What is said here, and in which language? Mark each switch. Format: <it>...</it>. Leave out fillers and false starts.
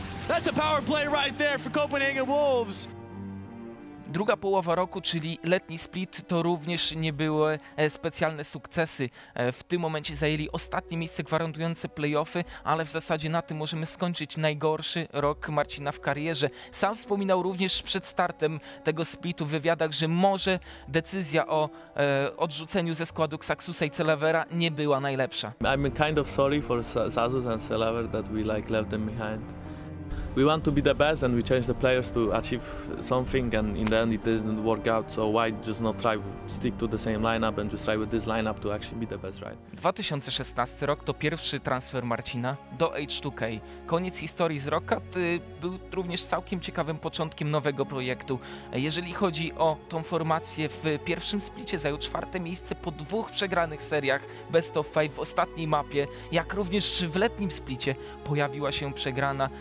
<en>That's a power play right there for Copenhagen Wolves.</en> <pl>Druga połowa roku, czyli letni split, to również nie były specjalne sukcesy. W tym momencie zajęli ostatnie miejsce gwarantujące playoffy, ale w zasadzie na tym możemy skończyć najgorszy rok Marcina w karierze. Sam wspominał również przed startem tego splitu w wywiadach, że może decyzja o odrzuceniu ze składu Xaxusa i Celavera nie była najlepsza.</pl> <en>I'm kind of sorry for Xaxus and Celaver that we like left them behind. We want to be the best and we change the players to achieve something and in the end it didn't work out, so why just not try stick to the same lineup and just try with this lineup to actually be the best, right?</en> <pl>2016 rok to pierwszy transfer Marcina do H2K. Koniec historii z Rokat był również całkiem ciekawym początkiem nowego projektu. Jeżeli chodzi o tą formację, w pierwszym splicie zajął czwarte miejsce po dwóch przegranych seriach Best of 5 w ostatniej mapie, jak również w letnim splicie pojawiła się przegrana.</pl>